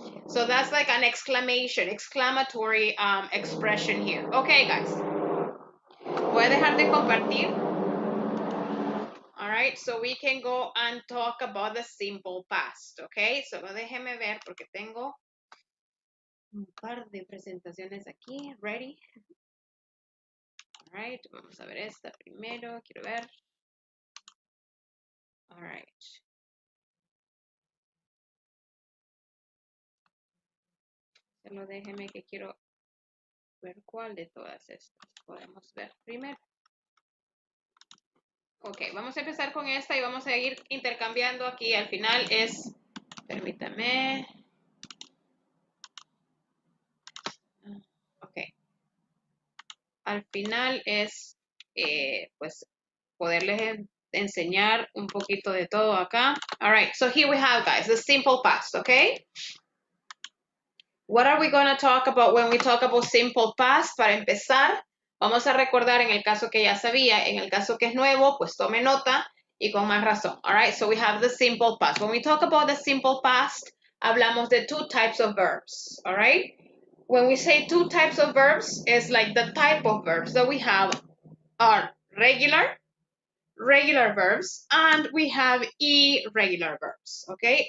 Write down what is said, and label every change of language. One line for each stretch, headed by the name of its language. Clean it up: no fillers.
English: So that's like an exclamation, exclamatory expression here. Okay, guys.
Spanish: Voy a dejar de compartir.
English: All right, so we can go and talk about the simple past, okay?
Spanish: So déjeme ver porque tengo un par de presentaciones aquí, ready?
English: All right,
Spanish: vamos a ver esta primero, quiero ver.
English: All right.
Spanish: Solo déjeme que quiero ver cuál de todas estas podemos ver primero. Ok, vamos a empezar con esta y vamos a ir intercambiando aquí. Al final es, permítame. Ok. Al final es, pues, poderles enseñar un poquito de todo acá.
English: All right, so here we have, guys, the simple past, okay? What are we going to talk about when we talk about simple past?
Spanish: Para empezar, vamos a recordar en el caso que ya sabía, en el caso que es nuevo, pues tome nota y con más razón.
English: All right, so we have the simple past. When we talk about the simple past,
Spanish: hablamos de
English: two types of verbs, all right? When we say two types of verbs, it's like the type of verbs that we have are regular verbs, and we have irregular verbs, okay?